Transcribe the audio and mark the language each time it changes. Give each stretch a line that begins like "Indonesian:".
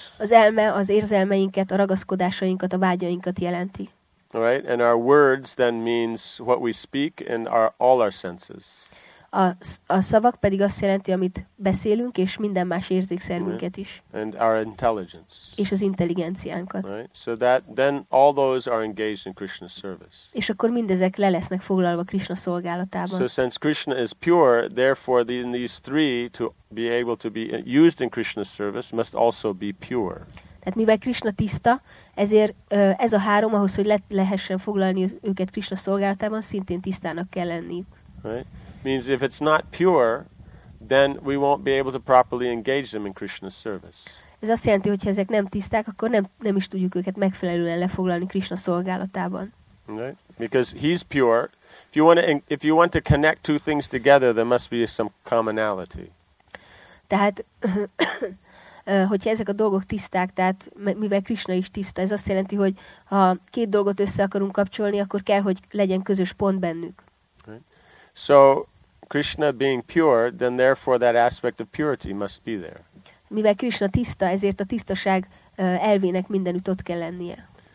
Hungarian: Az elme az érzelmeinket, a ragaszkodásainkat, a vágyainkat jelenti.
English: All right, and our words then means what we speak and our all our senses.
Hungarian: A szavak pedig azt jelenti, amit beszélünk és minden más érzékszervünket is.
English: And our intelligence.
Hungarian: És az intelligenciánkat.
English: Right. So that then all those are engaged in Krishna's service.
Hungarian: És akkor mindezek le lesznek foglalva Krishna szolgálatában.
English: So since Krishna is pure, therefore these three to be able to be used in Krishna's service must also be pure.
Hungarian: Tehát mivel Krishna tiszta, ezért ez a három ahhoz, hogy lehessen foglalni őket Krishna szolgálatában, szintén tisztának kell lenniük.
English: Right. Means if it's not pure, then we won't be able to properly engage them in Krishna's service.
Hungarian: Ez azt jelenti, hogy ezek nem tiszták, akkor nem is tudjuk őket megfelelően lefoglalni Krishna szolgálatában.
English: Right? Because he's pure. If you want to connect two things together, there must be some commonality.
Hungarian: Tehát hogyha ezek a dolgok tiszták, tehát mivel Krishna is tiszta, ez azt jelenti, hogy ha két dolgot össze akarunk kapcsolni, akkor kell, hogy legyen közös pont bennük.
English: So Krishna being pure, then therefore that aspect of purity must be there.
Hungarian: Mivel Krishna tiszta, ezért a tisztaság elvének mindenütt ott kell lennie.